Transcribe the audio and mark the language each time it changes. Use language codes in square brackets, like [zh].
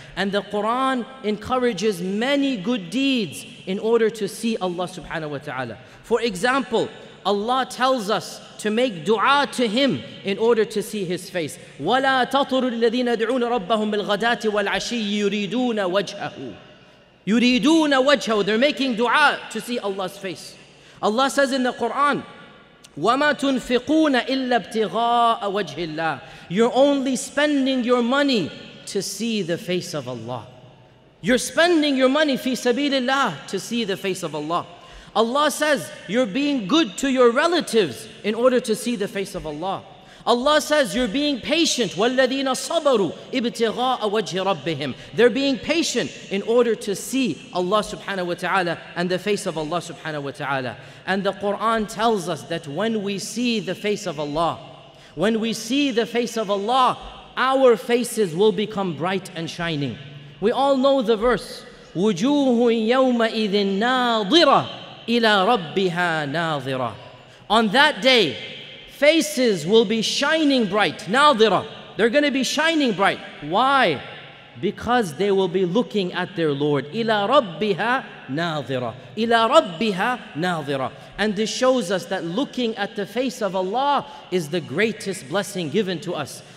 [en] And the Quran encourages many good deeds in order to see Allah subhanahu wa ta'ala. For example, Allah tells us to make dua to Him in order to see His face. [ar] وَلَا تَطُرُ الَّذِينَ يَدْعُونَ رَبَّهُمْ بِالْغَدَاةِ وَالْعَشِيِّ يُرِيدُونَ وَجْهَهُ يُرِيدُونَ وَجْهَهُ. [en] They're making dua to see Allah's face. Allah says in the Quran, [ar] وَمَا تُنْفِقُونَ إِلَّا ابْتِغَاءَ وَجْهِ اللَّهِ. [en] You're only spending your money to see the face of Allah. You're spending your money [ar] في سبيل الله [en] to see the face of Allah. Allah says, you're being good to your relatives in order to see the face of Allah. Allah says, you're being patient. [ar] وَالَّذِينَ صَبَرُوا ابْتِغَاءَ وَجْهِ رَبِّهِمْ. [en] They're being patient in order to see Allah subhanahu wa ta'ala and the face of Allah subhanahu wa ta'ala. And the Quran tells us that when we see the face of Allah, when we see the face of Allah, our faces will become bright and shining. We all know the verse, [ar] وُجُوهٌ يَوْمَئِذٍ نَاضِرَةٌ إِلَىٰ رَبِّهَا نَاظِرَةٌ. [en] On that day, faces will be shining bright. [ar] نَاظِرَةٌ. [en] They're going to be shining bright. Why? Because they will be looking at their Lord. [ar] إِلَىٰ رَبِّهَا نَاظِرَةٌ. إِلَىٰ رَبِّهَا نَاظِرَةٌ. [en] And this shows us that looking at the face of Allah is the greatest blessing given to us.